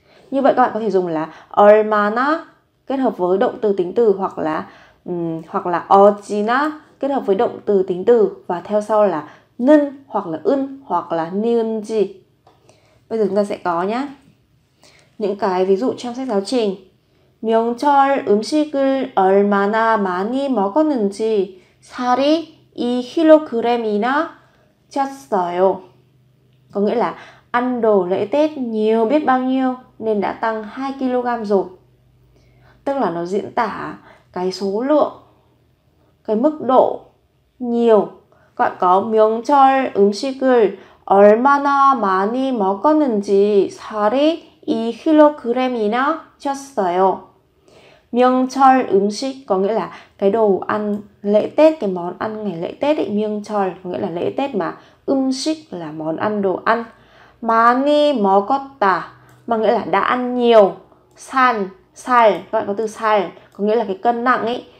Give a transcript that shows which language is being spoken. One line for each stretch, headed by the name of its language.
Vietnamese: Như vậy các bạn có thể dùng là 얼마나 kết hợp với động từ tính từ, hoặc là 어찌나 kết hợp với động từ tính từ, và theo sau là 는 hoặc là 은 hoặc là 니은지. Bây giờ chúng ta sẽ có nhé những cái ví dụ trong sách giáo trình.
Korean: 명절 음식을 얼마나 많이 먹었는지 살이 2kg이나 쪘어요.
Vietnamese: Có nghĩa là ăn đồ lễ Tết nhiều biết bao nhiêu nên đã tăng 2kg rồi. Tức là nó diễn tả cái số lượng, cái mức độ nhiều. Các bạn có
Korean: 명절 음식을 얼마나 많이 먹었는지 살이 2kg이나 쪘어요.
Vietnamese: 명절 음식 có nghĩa là cái đồ ăn lễ Tết, cái món ăn ngày lễ Tết ấy. 명절 có nghĩa là lễ Tết mà. 음식 là món ăn, đồ ăn.
Korean: 많이 먹었다
Vietnamese: mà nghĩa là đã ăn nhiều. 산, 살, các bạn có từ 살 có nghĩa là cái cân nặng ấy.